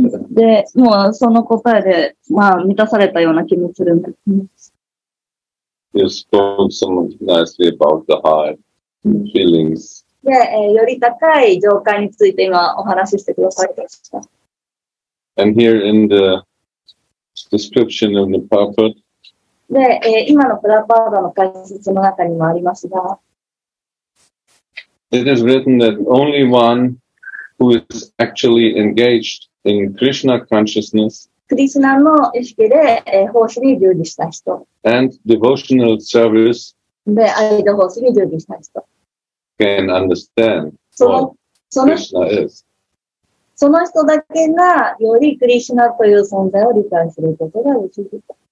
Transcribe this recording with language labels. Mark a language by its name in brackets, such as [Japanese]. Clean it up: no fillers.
[Japanese] で、もうその答えで、まあ、満たされたような気もするんです。 [English] You spoke so nicely about the high feelings. [Japanese] で、より高い状態について今お話ししてくださいました。 [English] And here in the description of the prophet, [Japanese] で、今のプラパーダの解説の中にもありますが、 [English] It is written that only one who is actually engaged in Krishna consciousness, [Japanese] クリスナの意識で、奉仕に従事した人、 [English] and devotional service, [Japanese] で、愛の奉仕に従事した人、 [English] can understand what Krishna is. [Japanese] その人だけがよりクリスナという存在を理解することができる。